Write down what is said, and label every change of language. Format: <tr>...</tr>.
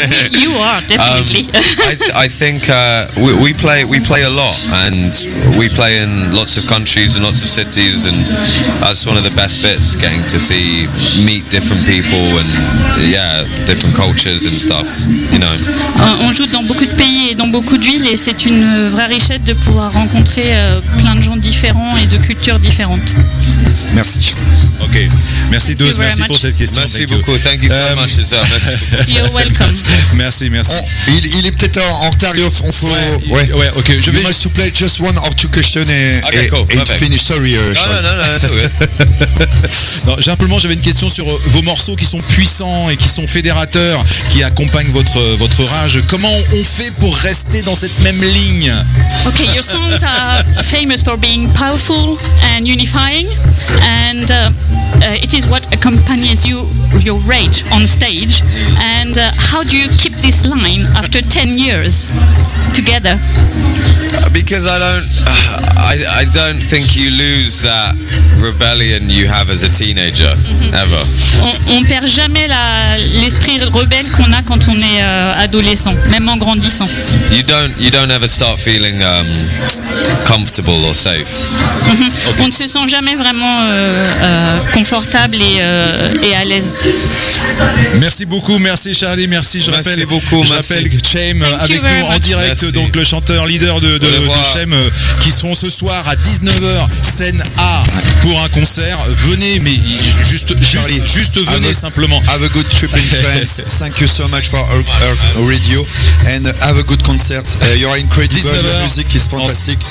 <en>You are definitely. I think we play a lot, and we play in lots of countries and lots of cities, and that's one of the best bits, getting to see, meet different people and yeah, different cultures and stuff, you know.</en> <fr>On joue dans beaucoup de pays et dans beaucoup de villes, et c'est une vraie richesse de pouvoir rencontrer plein de gens différents et de cultures différentes. Merci. Ok, merci Doz, merci pour cette question. Merci beaucoup,</fr> <en>thank you so much. You're welcome.</en> <fr>Merci, merci. Il est peut-être en retard, on faut... Ouais, ok. Je vais juste</fr> <en>play just one or two questions et finish. Sorry,</en> <fr>Charles. Non, non, non, simplement, j'avais une question sur vos morceaux qui sont puissants et qui sont fédérateurs, qui accompagnent votre rage. Comment on fait pour rester dans cette même ligne?</fr> <en>Ok, your songs are famous for being powerful and unifying. And it is what accompanies you, your rage on stage. And how do you keep this line after 10 years together? Because I don't think you lose that rebellion you have as a teenager, mm-hmm. ever.</en> <fr>On perd jamais l'esprit rebelle qu'on a quand on est adolescent, même en grandissant.</fr> <en>You don't ever start feeling comfortable or safe. Mm-hmm.</en> <fr>Okay. On ne se sent jamais vraiment confortable et à l'aise. Merci beaucoup, merci Charlie, merci. Je rappelle Chaim avec nous en direct, merci. Donc le chanteur leader de Chaim, qui seront ce soir à 19h scène A pour un concert. Venez, mais juste venez, simplement.</fr> <en>Have a good trip in France. Thank you so much for our radio and have a good concert. You're incredible. 19h. Your music is fantastic.</en>